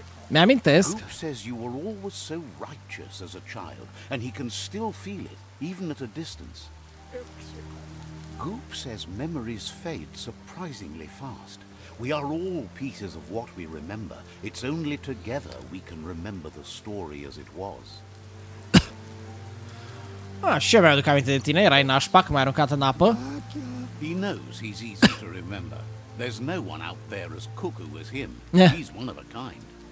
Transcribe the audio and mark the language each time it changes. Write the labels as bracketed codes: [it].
[en] Goop says you were always so righteous as a child, and he can still feel it, even at a distance. Goop says memories fade surprisingly fast. We are all pieces of what we remember. It's only together we can remember the story as it was. [ro] Ah, și eu mi-aduc aminte de tine, erai nașpa, că m-ai aruncat în apă. [en] He knows he's easy to remember. There's no one out there as cuckoo as him. Yeah. He's one of a kind.